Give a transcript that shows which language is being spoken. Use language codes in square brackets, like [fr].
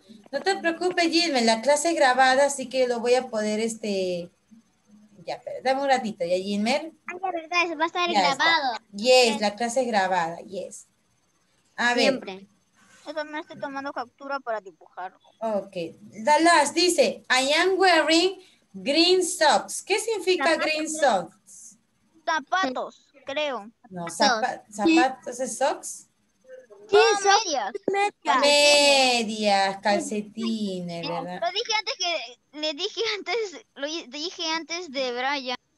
[es] No te preocupes, Gilmer. La clase es grabada, así que lo voy a poder, Ya, pero dame un ratito, ¿ya, Gilmer? Ay, de verdad, eso va a estar ya grabado. Está. Yes, la clase es grabada, yes. A ver. Yo también estoy tomando captura para dibujarlo. Ok. [en] Dallas [es] dice, [en] I am wearing green socks. [es] ¿Qué significa [en] green socks? [es] Zapatos, creo. No, zapatos es socks. ¿Qué? Medias. Medias, calcetines, ¿verdad? Lo dije antes de Brian.